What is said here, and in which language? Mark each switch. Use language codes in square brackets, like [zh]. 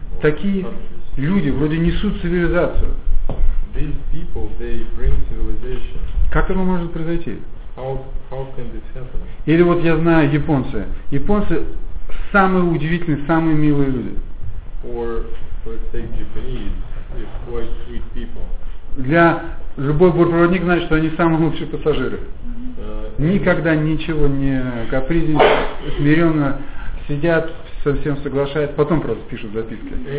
[ru] Такие люди вроде несут цивилизацию. [en] These people, they bring civilization. [ru] Как это может произойти? [en] How can this happen? [ru] Или вот я знаю японцы. Японцы самые удивительные, самые милые люди. [en] Or let's take Japanese, they're quite sweet people. [ru] Для любой бортпроводник знает, что они самые лучшие пассажиры. Никогда ничего не капризничают, смиренно сидят, со всем соглашаются, потом просто пишут записки.